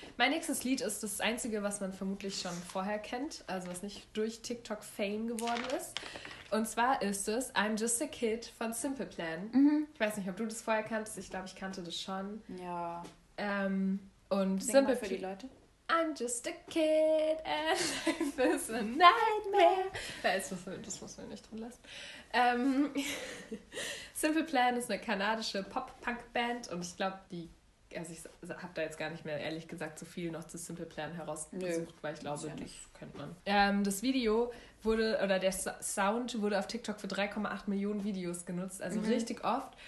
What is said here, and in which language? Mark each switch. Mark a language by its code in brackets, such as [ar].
[de] Mein nächstes Lied ist das einzige, was man vermutlich schon vorher kennt, also was nicht durch TikTok-Fame geworden ist. Und zwar ist es I'm Just a Kid von Simple Plan. Mhm. Ich weiß nicht, ob du das vorher kanntest. Ich glaube, ich kannte das schon. Ja. Und sing Simple mal für die Leute. [en] I'm just a kid and life is a nightmare. [de] Das muss man nicht drin lassen. Simple Plan ist eine kanadische Pop-Punk-Band und ich glaube, ich habe da jetzt gar nicht mehr ehrlich gesagt so viel noch zu Simple Plan herausgesucht, weil ich glaube, das kennt man. Das Video wurde, oder der Sound wurde auf TikTok für 3,8 Millionen Videos genutzt, also richtig oft.